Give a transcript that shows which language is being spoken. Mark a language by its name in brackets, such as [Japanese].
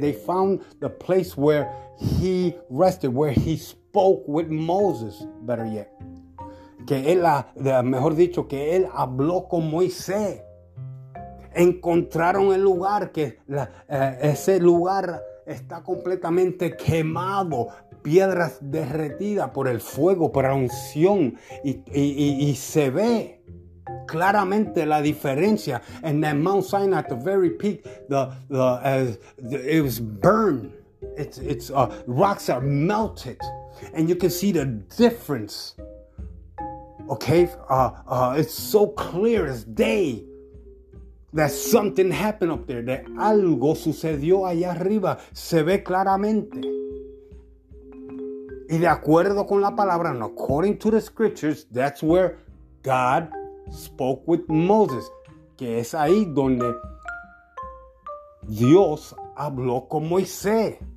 [English] They found the place where he rested, where he spoke with Moses, better yet. [Spanish] Que él, mejor dicho, que él habló con Moisés. Encontraron el lugar, que ese lugar está completamente quemado. Piedras derretidas por el fuego, por la unción, y se ve claramente la diferencia. [English] And then Mount Sinai at the very peak, it was burned. It's rocks are melted, and you can see the difference. Okay, it's so clear as day that something happened up there. [Spanish] That algo sucedió allá arriba. Se ve claramente. Y de acuerdo con la palabra, [English] and according to the scriptures, that's where God spoke with Moses. [Spanish] Que es ahí donde Dios habló con Moisés.